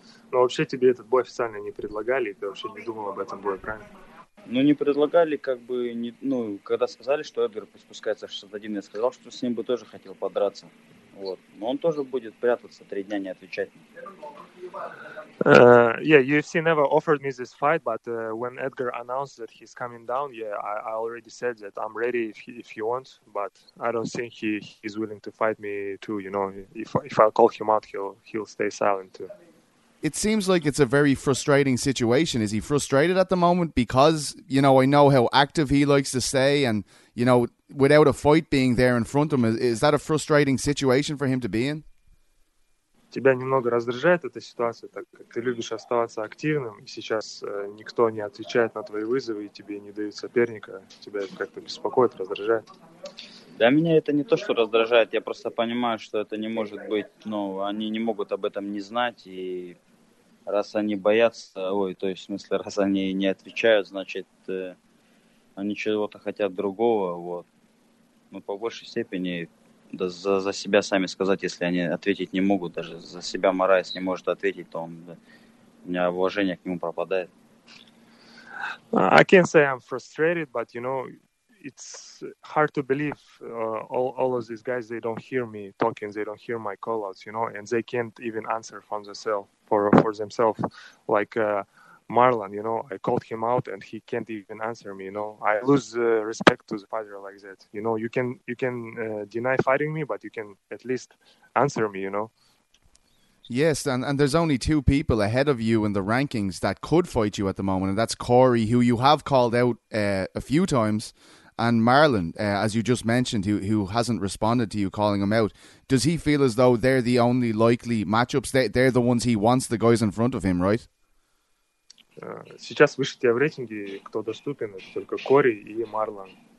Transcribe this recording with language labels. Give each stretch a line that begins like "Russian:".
Russian: Ну вообще тебе этот бой официально не предлагали, ты вообще не думал об этом бое, правильно? Ну не предлагали, как бы не, ну когда сказали, что Эдгар спускается в 61, я сказал, что с ним бы тоже хотел подраться. Вот. Но он тоже будет прятаться 3 дня, не отвечать.
English: Yeah, UFC never offered me this fight, but when Edgar announced that he's coming down, yeah, I already said that I'm ready if you want, but I don't think he's willing to fight me too, you know. If I call him out, he'll stay silent too. It seems like it's a very frustrating situation. Is he frustrated at the moment? Because, you know, I know how active he likes to stay, and, you know, without a fight being there in front of him, is that a frustrating situation for him to be in?
Russian: Тебя немного раздражает эта ситуация, так как ты любишь оставаться активным, и сейчас никто не отвечает на твои вызовы, и тебе не дают соперника. Тебя это как-то беспокоит, раздражает? Да, меня это не то, что раздражает. Я просто понимаю, что это не может быть, но они не могут об этом не знать, и раз они боятся, ой, то есть, в смысле, раз они не отвечают, значит, они чего-то хотят другого, вот. Ну, по большей степени... Да за себя сами сказать, если они ответить не могут, даже за себя Морайс не может ответить, то он, да, у меня уважение к нему пропадает.
English: I can't say I'm frustrated, but you know, it's hard to believe all of these guys, they don't hear me talking, they don't hear my call-outs, you know, and they can't even answer from themselves, for themselves, like Marlon, you know, I called him out and he can't even answer me, you know. I lose respect to the fighter like that. You know, you can deny fighting me, but you can at least answer me, you know. Yes, and there's only two people ahead of you in the rankings that could fight you at the moment, and that's Corey, who you have called out a few times, and Marlon, as you just mentioned, who hasn't responded to you calling him out. Does he feel as though they're the only likely matchups? They're the ones he wants, the guys in front of him, right?
Russian: Сейчас вышли в рейтинге, кто доступен, только Кори и Марлон.